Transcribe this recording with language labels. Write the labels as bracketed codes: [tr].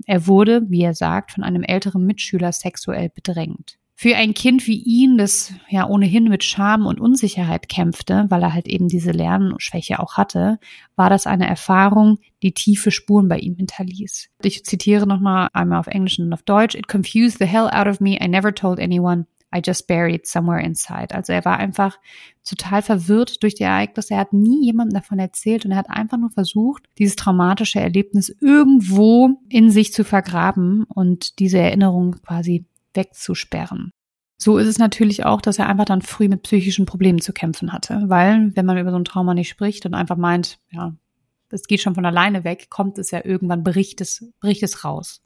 [de] Er wurde, wie er sagt, von einem älteren Mitschüler sexuell bedrängt. Für ein Kind wie ihn, das ja ohnehin mit Scham und Unsicherheit kämpfte, weil er halt eben diese Lernschwäche auch hatte, war das eine Erfahrung, die tiefe Spuren bei ihm hinterließ. Ich zitiere nochmal einmal auf Englisch und auf Deutsch. [en] "It confused the hell out of me. I never told anyone. I just buried somewhere inside." [de] Also er war einfach total verwirrt durch die Ereignisse. Er hat nie jemandem davon erzählt und er hat einfach nur versucht, dieses traumatische Erlebnis irgendwo in sich zu vergraben und diese Erinnerung quasi wegzusperren. So ist es natürlich auch, dass er einfach dann früh mit psychischen Problemen zu kämpfen hatte, weil wenn man über so ein Trauma nicht spricht und einfach meint, ja, es geht schon von alleine weg, kommt es ja irgendwann, bricht es raus.